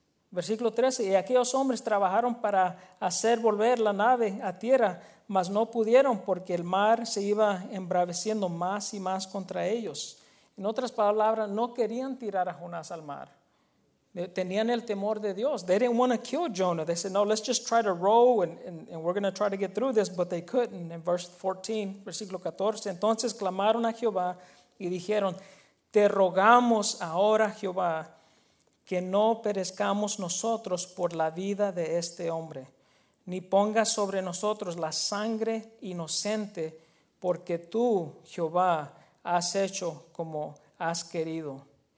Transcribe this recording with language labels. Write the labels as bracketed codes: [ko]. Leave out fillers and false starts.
[es] Versículo 13, y aquellos hombres trabajaron para hacer volver la nave a tierra, mas no pudieron porque el mar se iba embraveciendo más y más contra ellos. En otras palabras, no querían tirar a Jonás al mar. Tenían el temor de Dios. [en] They didn't want to kill Jonah. They said, no, let's just try to row and we're going to try to get through this, but they couldn't. In verse 14, [es] versículo 14, entonces clamaron a Jehová y dijeron, te rogamos ahora, Jehová, que no perezcamos nosotros por la vida de este hombre, ni pongas sobre nosotros la sangre inocente, porque tú, Jehová, has hecho como has querido.